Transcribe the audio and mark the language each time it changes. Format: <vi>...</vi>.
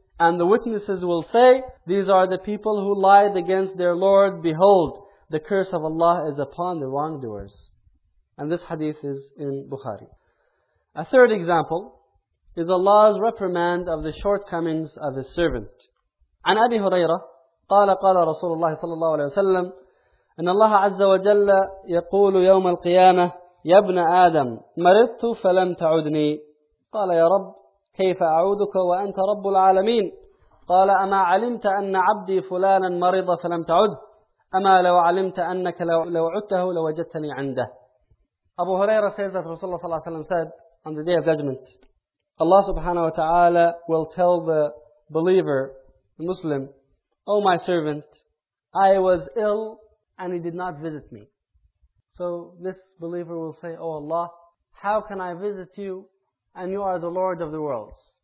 <en>And the witnesses will say, these are the people who lied against their Lord. Behold, the curse of Allah is upon the wrongdoers. And this hadith is in Bukhari. A third example is Allah's reprimand of the shortcomings of His servant.</en> <ar>عن أبي هريرة قال قال رسول الله صلى الله عليه وسلم إن الله عز وجل يقول يوم القيامة يا ابن آدم مرضت فلم تعدني قال يا رب كيف أعودك وأنت رب العالمين قال أما علمت أن عبدي فلانا مرض فلم تعده أما لو علمت أنك لو عدته لوجدتني عنده.</ar> <en>Abu Huraira says that Rasulullah sallallahu alayhi wa sallam said, on the Day of Judgment, Allah subhanahu wa ta'ala will tell the believer, the Muslim, oh my servant, I was ill and he did not visit me. So this believer will say, oh Allah, how can I visit you and you are the Lord of the worlds?</en>